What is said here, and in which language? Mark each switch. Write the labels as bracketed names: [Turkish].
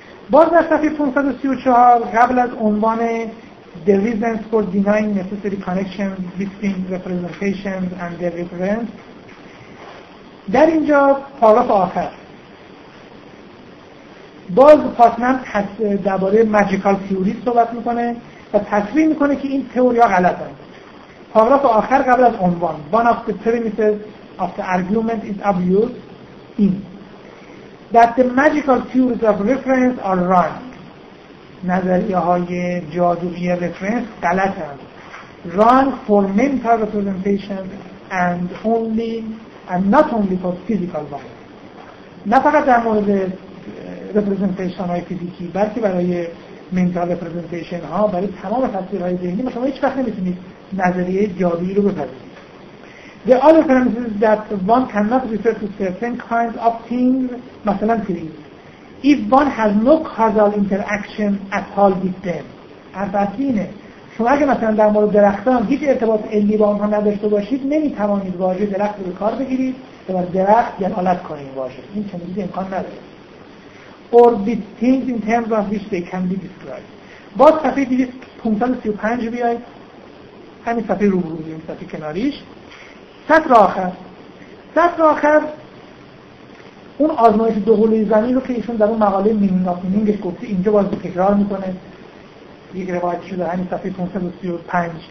[Persian] باز در صفحه 534 قبل از عنوان [English] The reasons for denying necessary connection between representations and their reference. [Persian] در اینجا پاراف آخر باز پاتنم درباره magical theory صحبت میکنه و تصریح میکنه که این تئوری ها غلط هست. پاراف آخر قبل از عنوان [English] One of the premises of the argument is obvious in that the magical theories of reference are wrong. [Persian] نظریه های جادویی رفرنس غلط هم [English] wrong for mental representation and only and not only for physical ones. [Persian] نه فقط در مورد رپرزنتیشن های فیزیکی، بلکه برای mental representation ها، برای تمام تصویرهای ذهنی. شما هیچ وقت نمیتونید نظریه جادویی رو بپذیرید. [English] The other premise is that one cannot refer to certain kinds of things مثلا things if one has no causal interaction at all with them. [Persian] البته اینه، شما اگه مثلا در مورد درختان هیچ ارتباط علمی با آنها نداشته باشید، نمیتوانید واژه درخت رو به کار بگیرید و بر درخت دلالت کنید واژه. این چنین چیزی امکان نداره. [English] Or with things in terms of which they can be described. [Persian] باز صفحه 535 بیایید، همین صفحه رو برو بیایید، صفحه کناریش، سطر آخر. سطر آخر اون آزمایش دوقلوی زمین رو که ایشون در اون مقاله مینون آف مینینگش گفته اینجا باز تکرار میکنه، یک روایتی شده همین صفحه 535.